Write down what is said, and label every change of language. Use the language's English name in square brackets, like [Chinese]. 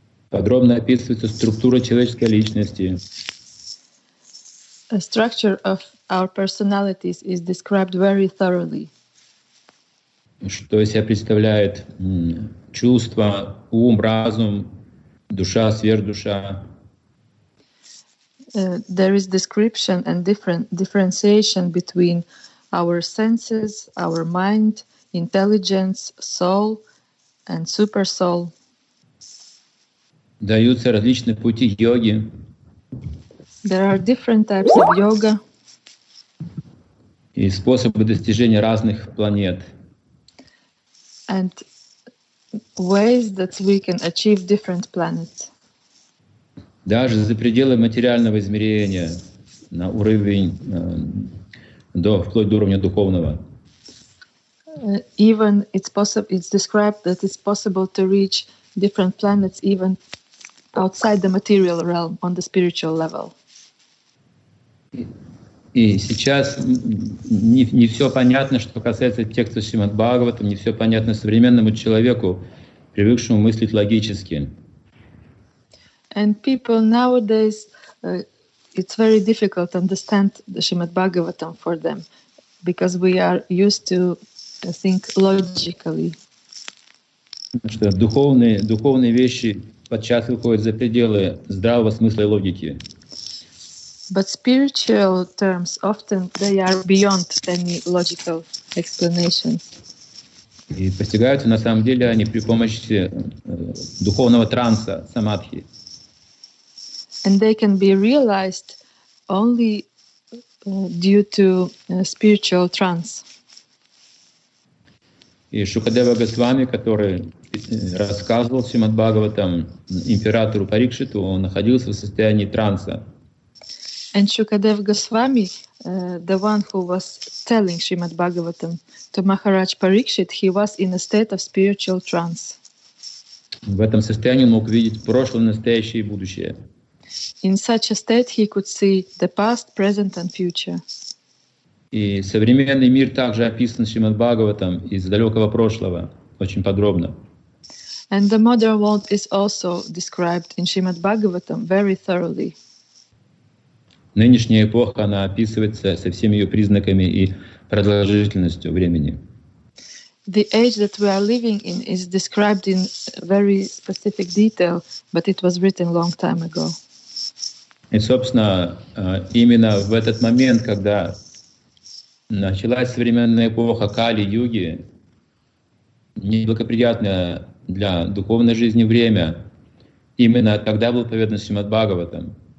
[Russian] Подробно описывается структура человеческой личности. [English] A structure of our personalities is described very thoroughly. [Russian] Что из себя представляет чувства, ум, разум, душа, сверхдуша? [English] There is description and differentiation between our senses, our mind, intelligence, soul, and super soul. [Russian] Даются различные пути йоги. [English] There are different types of yoga. [Russian] И способы достижения разных планет. [English] And ways that we can achieve different planets. [Russian] Даже за пределы материального измерения, на уровень, вплоть до уровня духовного. [English] Even it's described that it's possible to reach different planets even outside the material realm, on the spiritual level. [Russian] И сейчас не все понятно, что касается текста Шримад Бхагаватам, не все понятно современному человеку, привыкшему мыслить логически. [English] And people nowadays, it's very difficult to understand the Srimad Bhagavatam for them, because we are used to think logically. [Russian] Что духовные вещи подчас выходят за пределы здравого смысла и логики. [English] But spiritual terms often they are beyond any logical explanations. [Russian] И постигаются на самом деле они при помощи духовного транса, самадхи. [English] And they can be realized only due to spiritual trance. [Russian] И Шукадева Госвами, который рассказывал Шримад Бхагаватам императору Парикшиту, он находился в состоянии транса. [English] And Shukadev Goswami, the one who was telling Srimad Bhagavatam to Maharaj Parikshit, he was in a state of spiritual trance. [Russian] В этом состоянии он мог видеть прошлое, настоящее и будущее. [English] In such a state he could see the past, present and future. [Russian] И современный мир также описан Шримад Бхагаватам из далекого прошлого очень подробно. [English] And the modern world is also described in Srimad Bhagavatam very thoroughly. [Russian] Нынешняя эпоха, она описывается со всеми ее признаками и продолжительностью времени. [English] The age that we are living in is described in very specific detail, but it was written long time ago. [Russian] И, собственно, именно в этот момент, когда началась современная эпоха Кали-Юги, неблагоприятное для духовной жизни время, именно тогда был поведан Шримад Бхагаватам.